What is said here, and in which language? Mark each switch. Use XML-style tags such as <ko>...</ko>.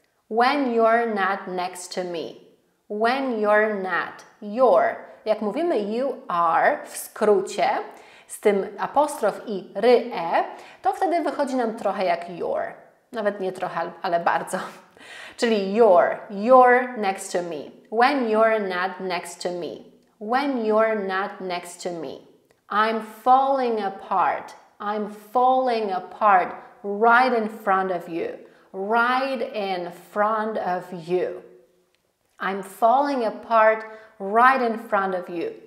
<en>When you're not next to me. When you're not. You're.</en> <pl>Jak mówimy</pl> <en>you are</en> <pl>w skrócie, z tym apostrof i ry e, to wtedy wychodzi nam trochę jak you're. Nawet nie trochę, ale bardzo.</pl> <en>Czyli you're, you're next to me. When you're not next to me. When you're not next to me. I'm falling apart. I'm falling apart right in front of you. Right in front of you. I'm falling apart right in front of you.</en>